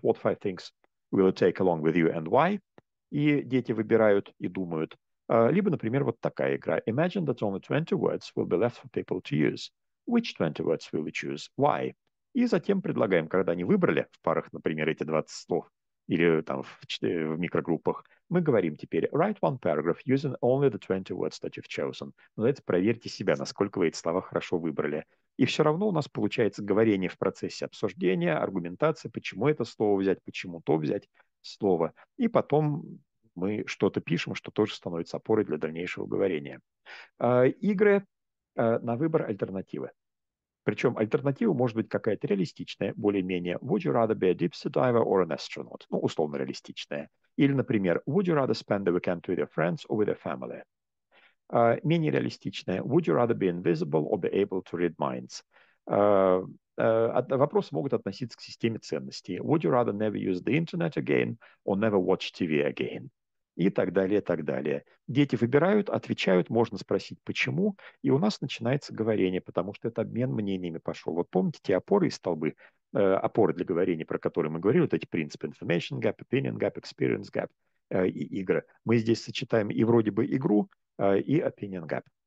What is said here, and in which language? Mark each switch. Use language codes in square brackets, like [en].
[en] What five things will it take along with you and why?» [ru] И дети выбирают и думают. Либо, например, вот такая игра. [en] «Imagine that only 20 words will be left for people to use. Which 20 words will you choose? Why?» [ru] И затем предлагаем, когда они выбрали в парах, например, эти 20 слов, или там в микрогруппах, мы говорим теперь [en] «Write one paragraph using only the 20 words that you've chosen». [ru] Но это проверьте себя, насколько вы эти слова хорошо выбрали. И все равно у нас получается говорение в процессе обсуждения, аргументация, почему это слово взять, почему то взять слово. И потом мы что-то пишем, что тоже становится опорой для дальнейшего говорения. Игры на выбор альтернативы. Причем альтернатива может быть какая-то реалистичная, более-менее. [en] Would you rather be a deep sea diver or an astronaut? [ru] Ну, условно реалистичная. [en] Или, например, would you rather spend the weekend with your friends or with your family? [ru] Менее реалистичная. [en] Would you rather be invisible or be able to read minds? [ru] Вопросы могут относиться к системе ценностей. [en] Would you rather never use the internet again or never watch TV again? [ru] И так далее, и так далее. Дети выбирают, отвечают, можно спросить, почему, и у нас начинается говорение, потому что это обмен мнениями пошел. Вот помните те опоры и столбы, опоры для говорения, про которые мы говорили, вот эти принципы information gap, opinion gap, experience gap и игры. Мы здесь сочетаем и вроде бы игру, и opinion gap.